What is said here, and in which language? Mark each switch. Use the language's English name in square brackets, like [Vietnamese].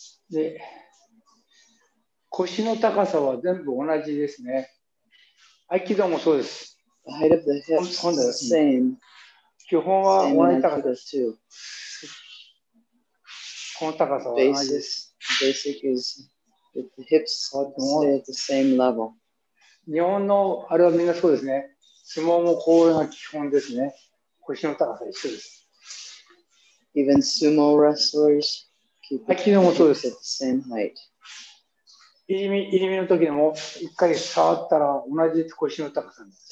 [Japanese] で腰の高さは全部同じですね。合気道もそうです。 [English] The height of the hips is the same. [Japanese] 基本は同じ高さです。この高さは同じです。 [English] Basic is with the hips stay at the same level. [Japanese] 日本のあれはみんなそうですね。相撲もこういうのが基本ですね。腰の高さ一緒です。 [English] Even sumo wrestlers keep the hips at the same height. [Japanese] 入り身の時でも一回触ったら同じ腰の高さです。